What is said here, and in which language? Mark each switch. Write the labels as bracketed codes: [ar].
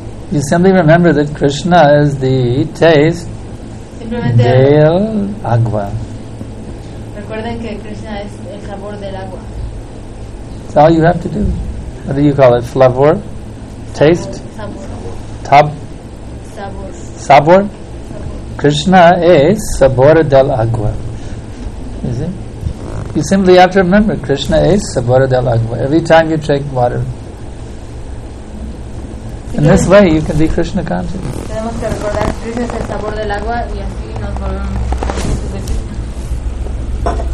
[en] you simply remember that Krishna is the taste [es] del agua. Recuerden que Krishna es el sabor del agua. [en] That's all you have to do. What do you call it? Flavor? Taste? [es] Sabor. Sabor? Krishna is sabor del agua. [en] Is it? You simply have to remember, Krishna is [es] sabor del agua. [en] Every time you drink water. In this way, you can be Krishna conscious. [es] Tenemos que recordar, Krishna es el sabor del agua, y así nos volvemos.